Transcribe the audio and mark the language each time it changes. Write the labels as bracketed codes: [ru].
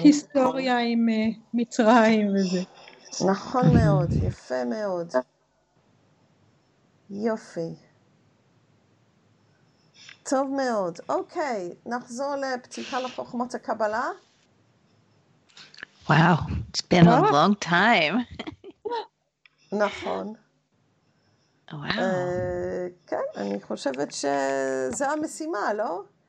[he] היסטוריה נכון. עם מצרים וזה. נכון מאוד, יפה מאוד. יופי. טוב מאוד. אוקיי, נחזור לפתיחה לחוכמות הקבלה. [en] וואו, it's been a long time. [he] נכון. וואו. כן, אני חושבת שזה המשימה, לא?